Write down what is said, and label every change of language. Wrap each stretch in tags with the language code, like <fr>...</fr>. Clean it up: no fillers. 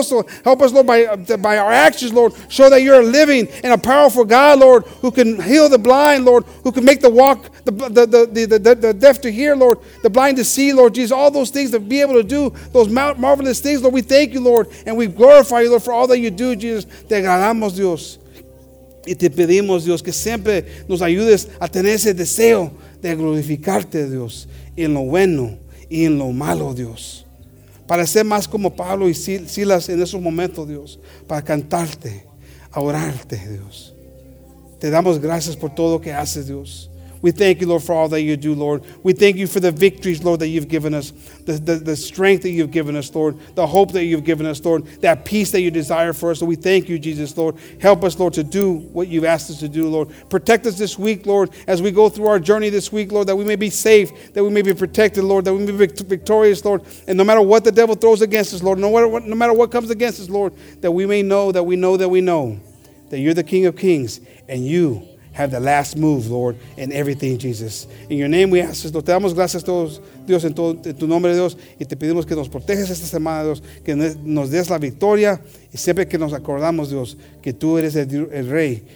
<en>Also, help us, Lord, by our actions, Lord, show that you're a living and a powerful God, Lord, who can heal the blind, Lord, who can make the walk, the deaf to hear, Lord, the blind to see, Lord Jesus, all those things to be able to do, those marvelous things, Lord, we thank you, Lord, and we glorify you, Lord, for all that you do, Jesus,</en> <es>te agradamos, Dios, y te pedimos, Dios, que siempre nos ayudes a tener ese deseo de glorificarte, Dios, en lo bueno y en lo malo, Dios. Para ser más como Pablo y Silas en esos momentos, Dios. Para cantarte, a orarte, Dios. Te damos gracias por todo lo que haces, Dios.</es> <en>We thank you, Lord, for all that you do, Lord. We thank you for the victories, Lord, that you've given us. The strength that you've given us, Lord. The hope that you've given us, Lord. That peace that you desire for us. So we thank you, Jesus, Lord. Help us, Lord, to do what you've asked us to do, Lord. Protect us this week, Lord, as we go through our journey this week, Lord, that we may be safe, that we may be protected, Lord, that we may be victorious, Lord. And no matter what the devil throws against us, Lord, no matter what comes against us, Lord, that we may know that we know that we know that you're the King of Kings and you have the last move, Lord, in everything, Jesus. In your name we ask this, Lord.</en> <es>Te damos gracias a todos, Dios, en tu nombre, Dios. Y te pedimos que nos protejas esta semana, Dios. Que nos des la victoria. Y siempre que nos acordamos, Dios, que tú eres el Rey.</es>